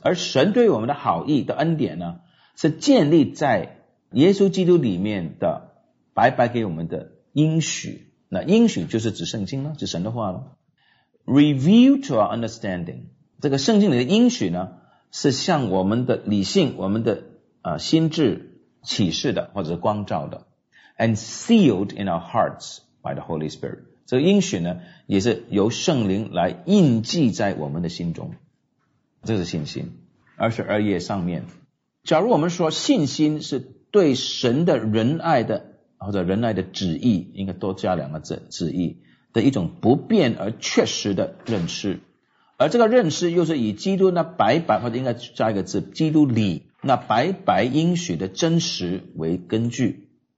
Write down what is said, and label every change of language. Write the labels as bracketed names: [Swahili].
[Chinese] 而神对我们的好意的恩典呢，是建立在耶稣基督里面的白白给我们的应许。那应许就是指圣经了，指神的话了。 [English] Review to our understanding. [Chinese] 这个圣经里的应许呢，是向我们的理性，我们的心智启示的，或者是光照的。 [English] And sealed in our hearts by the Holy Spirit. [Chinese] 这个应许呢，也是由圣灵来印记在我们的心中。这是信心。 22页上面。假如我们说信心是对神的仁爱的，或者仁爱的旨意，应该多加两个字，旨意的一种不变而确实的认识，而这个认识又是以基督那白白，或者应该加一个字，基督里那白白应许的真实为根据，